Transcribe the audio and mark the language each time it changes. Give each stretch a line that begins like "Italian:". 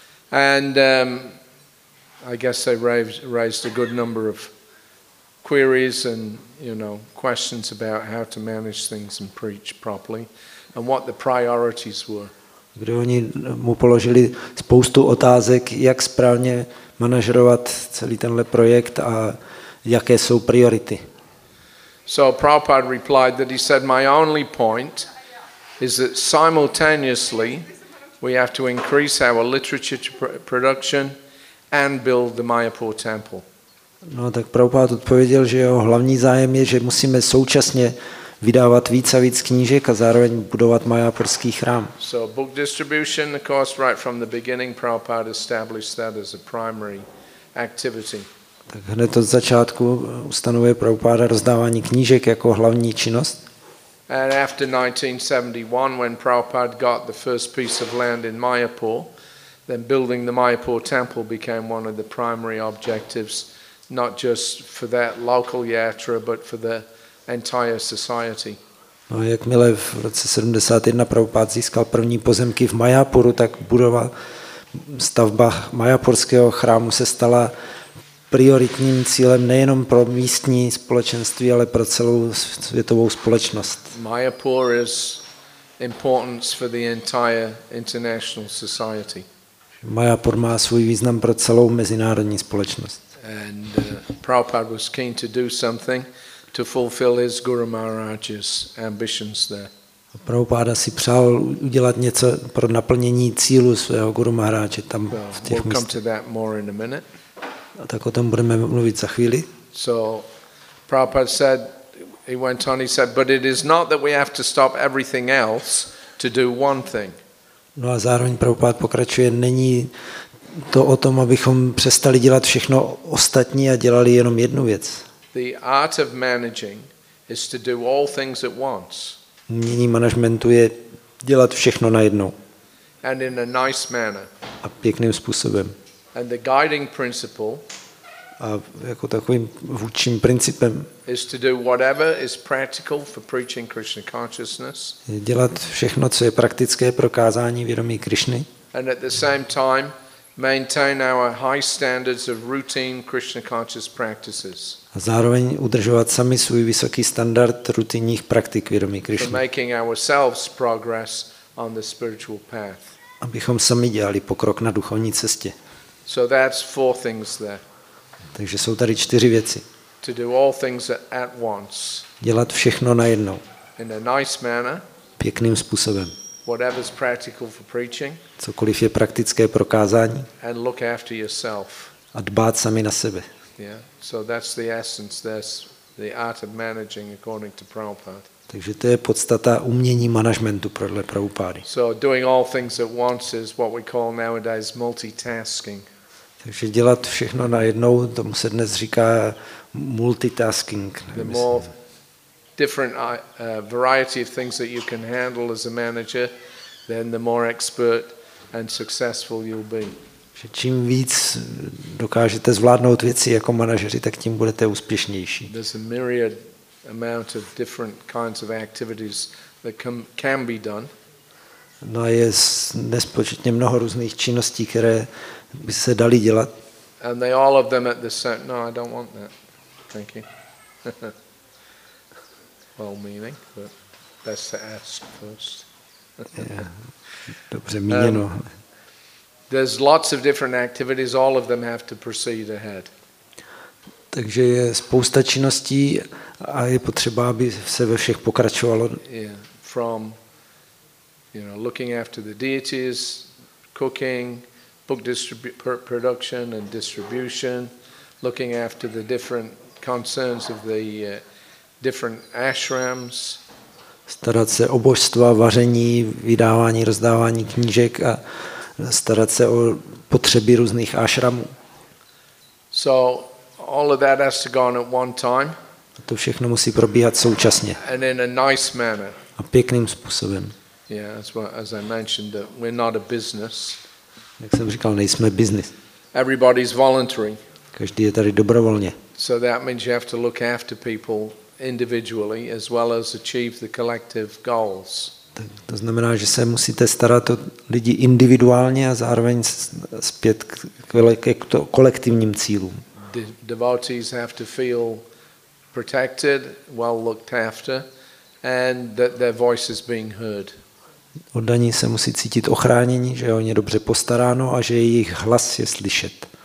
English: And I guess they raised a good number of queries and, you know, questions about how to manage things and preach properly and what the priorities were.
Czech: Kde oni mu položili spoustu otázek, jak správně manažerovat celý tenhle projekt a jaké jsou priority.
English: So Prabhupada replied that he said my only point is that simultaneously we have to increase our literature production and build the Mayapur temple.
Czech: No tak Prabhupád odpověděl, že jeho hlavní zájem je, že musíme současně vydávat víc a víc knížek a zároveň budovat majapurský chrám.
English: So book distribution, of course, right from the beginning, Prabhupád established that as a primary activity.
Czech: Tak hned od začátku ustanovuje Prabhupáda rozdávání knížek jako hlavní činnost.
English: And after 1971, when Prabhupád got the first piece of land in Mayapur, then building the Mayapur temple became one of the primary objectives, not just for that local yatra, but for the entire society.
Czech: No, jakmile v roce 71 Prabhupád získal první pozemky v Mayapuru, tak budova, stavba mayapurského chrámu se stala prioritním cílem nejenom pro místní společenství, ale pro celou světovou společnost.
English: Mayapur is importance for the entire international society.
Czech: Mayapur má svůj význam pro celou mezinárodní společnost.
English: And Prabhupada was keen to do something to fulfill his Guru Maharaj's ambitions there.
Czech: Prabhupada si přál udělat něco pro naplnění cílu svého Guru Maharaje tam v těch
English: We'll come to that more in a minute.
Czech: A tak o tom budeme mluvit za chvíli.
English: So Prabhupada said, he went on, he said, but it is not that we have to stop everything else to do one thing.
Czech: No a zároveň Prabhupada pokračuje, není to o tom, abychom přestali dělat všechno ostatní a dělali jenom jednu věc.
English: The art of managing is to do all things at once.
Czech: Umění managementu je dělat všechno najednou.
English: And in a nice manner.
Czech: A pěkným způsobem.
English: And the guiding principle,
Czech: a jako takovým vůdčím principem,
English: is to do whatever is practical for preaching Krishna consciousness.
Czech: Je dělat všechno, co je praktické pro kázání vědomí Krišny.
English: And at the same time maintain our high standards of routine Krishna conscious practices.
Czech: A zároveň udržovat sami svůj vysoký standard rutinních praktik vědomí Krišny.
English: For making ourselves progress on the spiritual path.
Czech: Abychom sami dělali pokrok na duchovní cestě.
English: So that's four things there.
Czech: Takže jsou tady čtyři věci.
English: To do all things at once.
Czech: Dělat všechno najednou.
English: In a nice manner.
Czech: Pěkným způsobem.
English: Whatever's practical for preaching.
Czech: Cokoliv je praktické pro kázání.
English: And look after yourself.
Czech: A dbát sami na sebe.
English: Yeah. So that's the essence. That's the art of managing according to Prabhupada.
Czech: Takže to je podstata umění managementu podle Prabhupády.
English: So doing all things at once is what we call nowadays multitasking.
Czech: Takže dělat všechno najednou, tomu se dnes říká multitasking.
English: The more different variety of things that you can handle as a manager, then the more expert and successful you'll be.
Czech: Že čím víc dokážete zvládnout věci jako manažeři, tak tím budete úspěšnější.
English: There's a myriad amount of different kinds of activities that can be done.
Czech: No a je nespočetně mnoho různých činností, které by se daly dělat.
English: And they all of them at the same. No, I don't want that. Thank you. Well-meaning, but best to ask first.
Czech: Dobře míněno.
English: There's lots of different activities. All of them have to proceed ahead.
Czech: Takže je spousta činností a je potřeba, aby se ve všech pokračovalo.
English: Yeah, from, you know, looking after the deities, cooking, book production and distribution, looking after the different concerns of the different ashrams.
Czech: Starat se o božstva, vaření, vydávání, rozdávání knížek a starat se o potřeby různých ashramů.
English: So all of that has to go on at one time.
Czech: A to všechno musí probíhat současně.
English: And in a nice manner.
Czech: A pěkným způsobem.
English: Yeah, as I mentioned, that we're not a business.
Czech: Jak jsem říkal, nejsme business.
English: Everybody's voluntary.
Czech: Každý je tady dobrovolně.
English: So that means you have to look after people individually as well as achieve the collective goals.
Czech: Tak to znamená, že se musíte starat o lidi individuálně a zároveň zpět k kolektivním cílům.
English: Devotees have to feel protected, well looked after, and that their voice is being heard.
Czech: Oddaní se musí cítit ochráněni, že o ně dobře postaráno a že jejich hlas je slyšet.